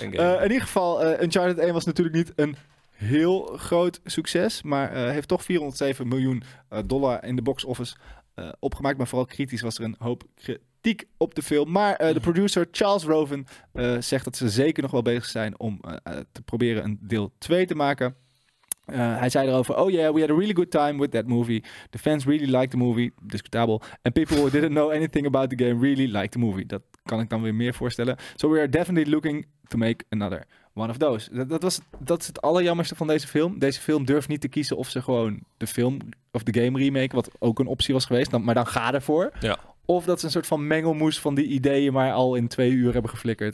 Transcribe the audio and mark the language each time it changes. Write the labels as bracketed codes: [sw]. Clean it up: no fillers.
[nl] In ieder geval, Uncharted 1 was natuurlijk niet een heel groot succes. Maar heeft toch $407 miljoen in de box office opgemaakt. Maar vooral kritisch was er een hoop kritiek op de film. Maar de producer Charles Roven zegt dat ze zeker nog wel bezig zijn om te proberen een deel 2 te maken. [en] Hij zei erover, oh yeah, we had a really good time with that movie. The fans really liked the movie. Discutabel. And people who didn't know anything about the game really liked the movie. Dat kan ik dan weer meer voorstellen. So we are definitely looking to make another one of those. [nl] Dat is het allerjammerste van deze film. Deze film durft niet te kiezen of ze gewoon de film of de game remaken, wat ook een optie was geweest. Maar dan ga ervoor. Ja. Of dat ze een soort van mengelmoes van die ideeën maar al in 2 uur hebben geflikkerd.